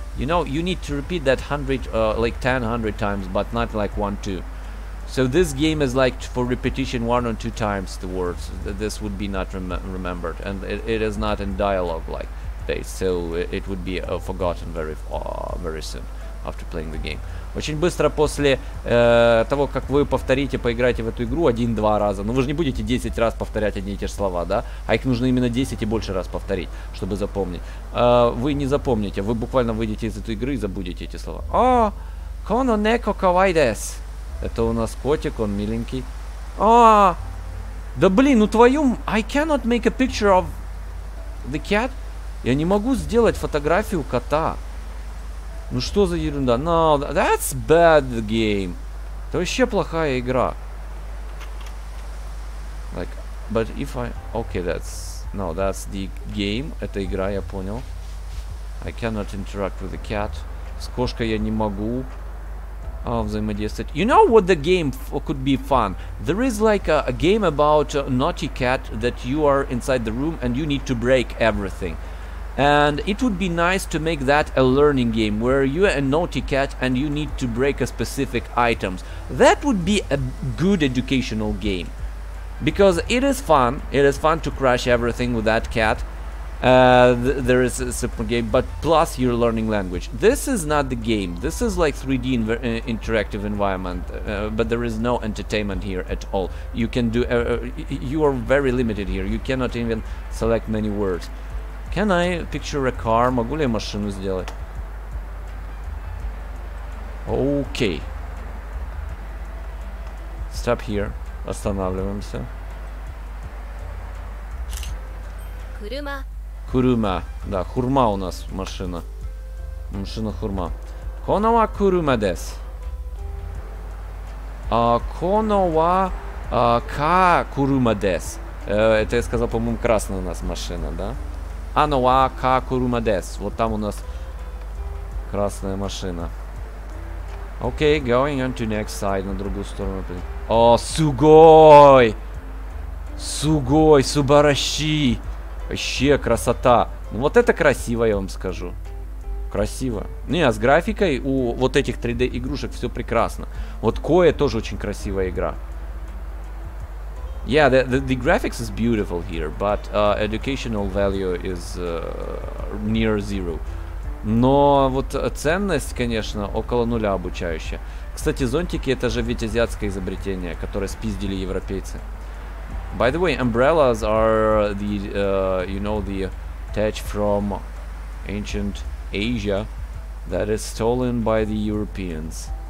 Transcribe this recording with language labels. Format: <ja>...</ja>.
<en>You know, you need to repeat that 100, like 10-100 times, but not like 1-2. So this game is like for repetition 1 or 2 times the words. This would be not remembered. And it is not in dialogue-like based, so it would be forgotten very very soon after playing the game.</en> <ru>Очень быстро после того, как вы повторите, поиграете в эту игру 1-2 раза. Но вы же не будете 10 раз повторять одни и те же слова, да? А их нужно именно 10 и больше раз повторить, чтобы запомнить. Вы не запомните, вы буквально выйдете из этой игры и забудете эти слова. О,</ru> <ja>коно неко кавай дес.</ja> <ru>Это у нас котик, он миленький. О, да блин, ну твою...</ru> <en>I cannot make a picture of the cat.</en> <ru>Я не могу сделать фотографию кота. Ну что за ерунда?</ru> <en>No, that's bad game.</en> <ru>Это вообще плохая игра.</ru> <en>Like, but if I... Okay, that's... No, that's the game.</en> <ru>Это игра, я понял.</ru> <en>I cannot interact with the cat.</en> <ru>С кошкой я не могу взаимодействовать.</ru> <en>You know what the game could be fun? There is like a game about a naughty cat that you are inside the room and you need to break everything. And it would be nice to make that a learning game where you are a naughty cat and you need to break a specific items. That would be a good educational game. Because it is fun. It is fun to crush everything with that cat. There is a super game, but plus you're learning language. This is not the game. This is like 3D interactive environment, but there is no entertainment here at all. You can do you are very limited here. You cannot even select many words. Can I picture a car?</en> <ru>Могу ли я машину сделать?</ru> <en>Okay. Stop here.</en> <ru>Останавливаемся.</ru> <ja>Курума.</ja> <ru>Курума. Да, хурма у нас машина. Машина хурма.</ru> <ja>Конова курума дес. Конова ка курума дес.</ja> <ru>Это я сказал, по-моему, красная у нас машина, да?</ru> <ja>Аноа ка курума дес.</ja> <ru>Вот там у нас красная машина.</ru> <en>Окей, going on to next side,</en> <ru>на другую сторону.</ru> <en>О, сугой!</en> <ja>Сугой, субаращи!</ja> <ru>Вообще красота! Ну вот это красиво, я вам скажу. Красиво. Не, а с графикой у вот этих 3D игрушек все прекрасно. Вот Кое тоже очень красивая игра.</ru> <en>Yeah, the graphics is beautiful here, but educational value is near zero.</en> <ru>Но вот ценность, конечно, около нуля обучающая. Кстати, зонтики — это же ведь азиатское изобретение, которое спиздили европейцы.</ru> <en>By the way, umbrellas are the you know, the touch from ancient Asia that is stolen by the Europeans.</en>